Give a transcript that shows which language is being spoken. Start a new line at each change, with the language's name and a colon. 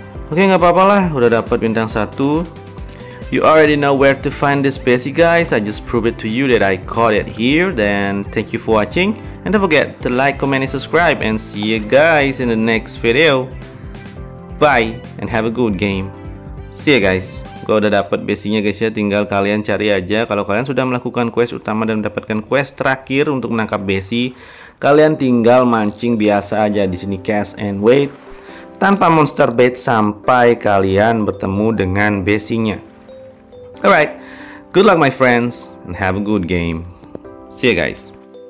Indonesian: Oke, enggak apa-apalah, udah dapat bintang 1.
English: You already know where to find this besi, guys. I just proved it to you that I caught it here. Then thank you for watching. And don't forget to like, comment, and subscribe. And see you guys in the next video. Bye, and have a good game. See you guys.
Indonesian: Gua udah dapat besinya guys ya. Tinggal kalian cari aja. Kalau kalian sudah melakukan quest utama dan mendapatkan quest terakhir untuk menangkap besi, kalian tinggal mancing biasa aja di sini,
English: cast and wait
Indonesian: tanpa monster bait sampai kalian bertemu dengan besinya.
English: Alright, good luck my friends, and have a good game. See you guys.